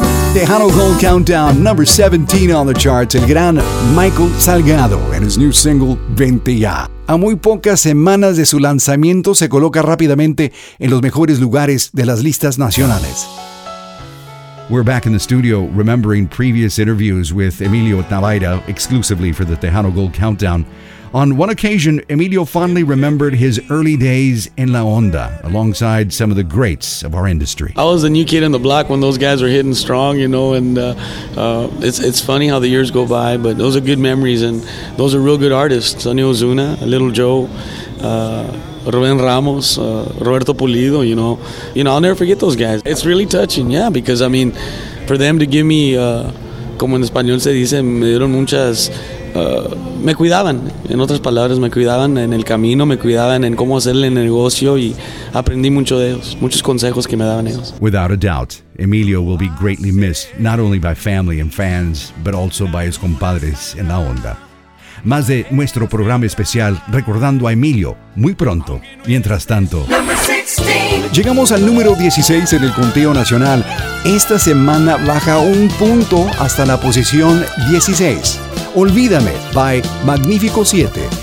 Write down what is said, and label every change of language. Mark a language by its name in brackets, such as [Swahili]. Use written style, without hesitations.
[English] Tejano Gold Countdown, number 17 on the charts, [Spanish] el gran [English] Michael Salgado and his new single, Vente Ya. [Spanish] A muy pocas semanas de su lanzamiento, se coloca rápidamente en los mejores lugares de las listas nacionales. [English] We're back in the studio remembering previous interviews with Emilio Navaira, exclusively for the Tejano Gold Countdown. On one occasion, Emilio fondly remembered his early days in La Onda, alongside some of the greats of our industry. I was the new kid on the block when those guys were hitting strong, you know, and it's funny how the years go by, but those are good memories, and those are real good artists. Sonny Ozuna, Little Joe, Rubén Ramos, Roberto Pulido, you know, I'll never forget those guys. It's really touching, yeah, because, I mean, for them to give me, [Spanish] como en español se dice, me dieron muchas... me cuidaban, en otras palabras, me cuidaban en el camino, me cuidaban en cómo hacer el negocio y aprendí mucho de ellos, muchos consejos que me daban ellos. [English] Without a doubt, Emilio will be greatly missed, not only by family and fans, but also by his compadres en La Onda. [Spanish] Más de nuestro programa especial recordando a Emilio muy pronto. Mientras tanto, llegamos al número 16 en el conteo nacional. Esta semana baja un punto hasta la posición 16. Olvídame by Magnífico 7